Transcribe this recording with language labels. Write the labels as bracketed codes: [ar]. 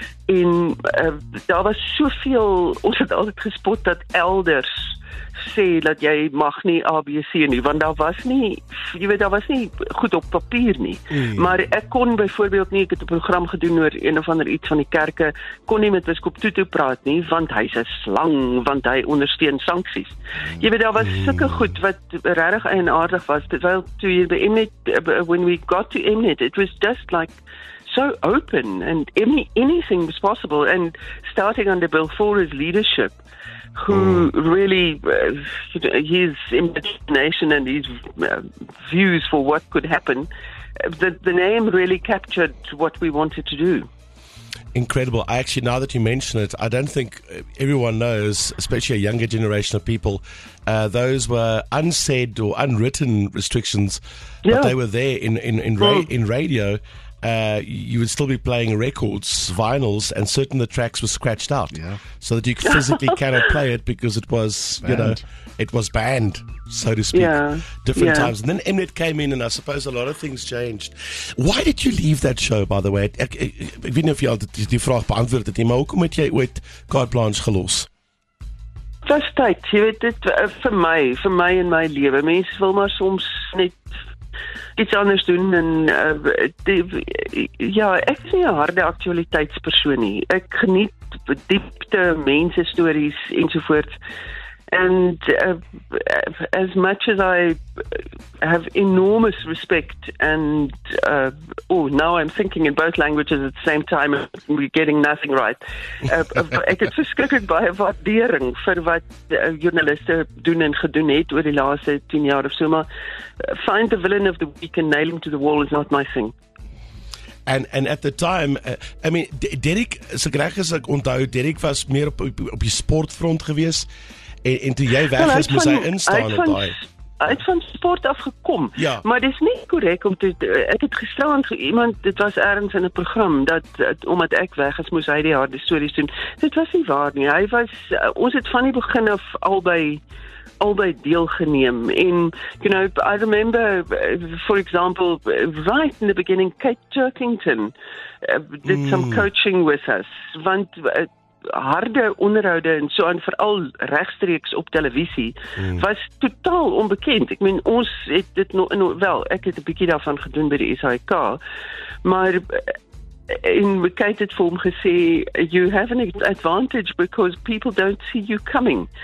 [af] En daar was soveel, ons het altijd gespot dat elders sê dat jy mag nie ABC nie, want daar was nie, jy weet, daar was nie goed op papier nie. Nee. Maar ek kon byvoorbeeld nie, ek het 'n program gedoen oor een of ander iets van die kerke, kon nie met biskoop Tutu praat nie, want hy is 'n slang, want hy ondersteun sanksies. Jy weet, daar was sulke goed wat regtig eienaardig was, terwyl toe jy by Mnet, [en] when we got to Mnet, it was just like so open, and anything was possible, and starting under Bill Forer's leadership, who really, his imagination and his views for what could happen, the name really captured what we wanted to do. Incredible. I actually, now that you mention it, I don't think everyone knows, especially a younger generation of people, those were unsaid or unwritten restrictions, yeah. But they were there in radio. You would still be playing records, vinyls, and certain the tracks were scratched out, yeah. So that you physically cannot play it because it was banned. You know, it was banned, so to speak, yeah. Different yeah. times. And then Mnet came in, and I suppose a lot of things changed. Why did you leave that show, by the way? [af] Ek weet nie of jy al die vraag beantwoord het nie, maar hoekom het jy ooit Carte Blanche gelos? Dis tyd, jy weet dit, vir my in my lewe, mense wil maar soms net iets anders doen, en ek is nie 'n harde aktualiteitspersoon nie. Ek geniet diepte, mense, stories, ensovoorts. [en] And as much as I have enormous respect, and now I'm thinking in both languages at the same time, and we're getting nothing right. [af] Ek het verskrikkelijk baie waardering vir wat journaliste doen en gedoen het oor die laaste 10 jaar of so, maar [en] find the villain of the week and nail him to the wall is not my thing. And at the time, [af] Derek, so graag as ek onthou, Derek was meer op die sportfront geweest. En toe jy weg is, moes hy instaan op daai. Uit van sport afgekom. Ja. Maar dis nie korrek om te... Ek het gestaan vir iemand, dit was ergens in 'n program, dat omdat ek weg is, moes hy die harde stories doen. Dit was nie waar nie. Hy was... ons het van die begin af albei deelgeneem. [en] En, you know, I remember, for example, right in the beginning, Kate Turkington did some coaching with us. [af] Want... harde onderhoude en so, en vooral rechtstreeks op televisie, was totaal onbekend. Ek meen, ons het dit nog, ek het 'n bietjie daarvan gedoen by die SAIK, maar, en Kate het vir hom gesê, [en] you have an advantage because people don't see you coming.